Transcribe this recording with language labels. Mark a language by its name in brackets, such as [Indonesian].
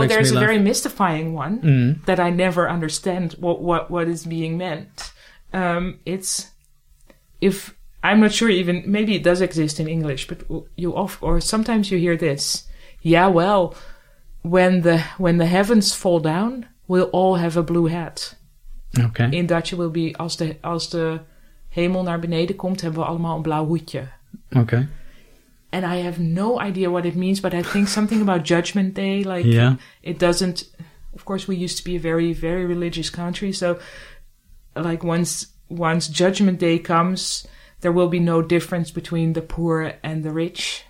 [English] Yeah, there's a very mystifying one that I never understand what is being meant. It's... If I'm not sure even, maybe it does exist in English, but you often, or sometimes you hear this. Yeah, well, when the heavens fall down, we'll all have a blue hat. Okay. In Dutch it will be, [Dutch] als de hemel naar beneden komt, hebben we allemaal een blauw hoedje. [English] Okay. And I have no idea what it means, but I think something about Judgment Day, like, yeah. It doesn't, of course, we used to be a very, very religious country, so, like, once Judgment Day comes, there will be no difference between the poor and the rich.